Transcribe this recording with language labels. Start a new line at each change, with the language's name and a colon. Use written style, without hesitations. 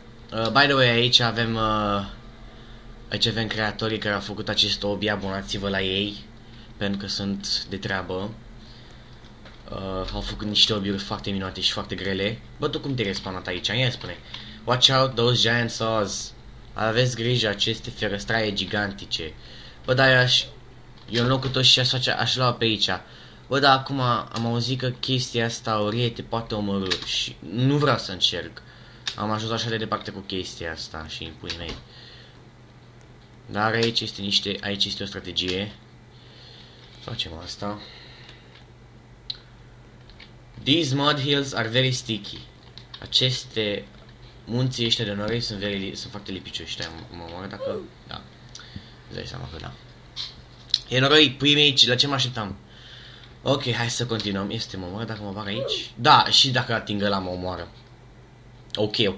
English: By the way,
Romanian: aici avem creatorii care au făcut acest obi, abonați-vă la ei, pentru că sunt de treabă. Au făcut niște obiuri foarte minunate și foarte grele. Bă, tu cum te-ai respawnat aici? Ia spune.
English: Watch out those giant saws.
Romanian: Aveți grijă aceste ferăstraie gigantice. Bă, dar eu în locul tău și aș lua pe aici. Bă, dar acum am auzit că chestia asta orie te poate omorâ și nu vreau să încerc. Am ajuns așa de departe cu chestia asta și în puii mei. Dar aici este o strategie. Facem asta.
English: These mud hills are very sticky.
Romanian: Aceste munții ăștia de noroi sunt foarte lipicioși. Stai, mă omoră dacă... Da. Îți dai seama că da. E noroi, puii mei, la ce mă așteptam? Ok, hai să continuăm. Este mă omoră dacă mă bag aici? Da, și dacă atingă la mă omoară. Ok.